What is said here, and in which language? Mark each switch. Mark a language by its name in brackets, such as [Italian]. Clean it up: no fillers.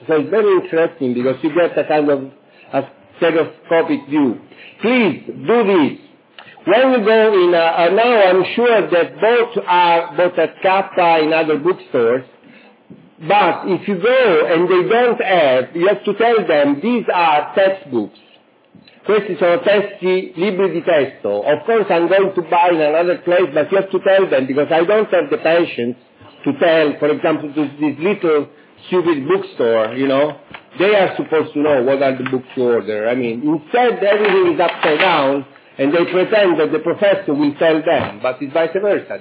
[English] So it's very interesting, because you get a kind of a stereoscopic view. Please, do this. When you go in, now I'm sure that both are, both at Kappa and other bookstores, but if you go and they don't have, you have to tell them, these are textbooks. [Italian] Questi sono testi, libri di testo. [English] Of course I'm going to buy in another place, but you have to tell them, because I don't have the patience to tell, for example, to this little stupid bookstore, you know. They are supposed to know what are the books you order. I mean, instead everything is upside down, and they pretend that the professor will tell them, but it's vice versa.